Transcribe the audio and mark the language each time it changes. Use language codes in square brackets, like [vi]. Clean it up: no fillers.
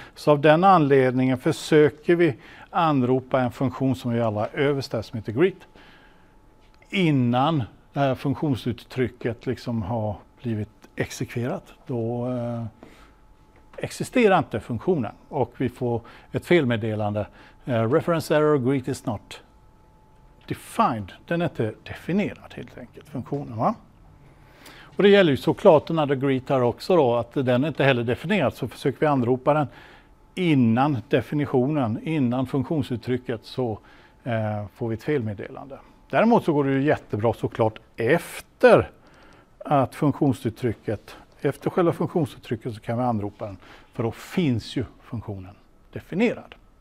[sv] Så av den anledningen försöker vi anropa en funktion som vi alla överställs som heter greet. Innan funktionsuttrycket liksom har blivit exekverat, då existerar inte funktionen. Och vi får ett felmeddelande. [en] Reference error, greet is not defined. [sv] Den är inte definierad helt enkelt, funktionen, va? Och det gäller ju såklart den här greet här också då, att den är inte heller definierad, så försöker vi anropa den innan definitionen, innan funktionsuttrycket, så får vi ett felmeddelande. Däremot så går det ju jättebra såklart efter att funktionsuttrycket, efter själva funktionsuttrycket, så kan vi anropa den, för då finns ju funktionen definierad.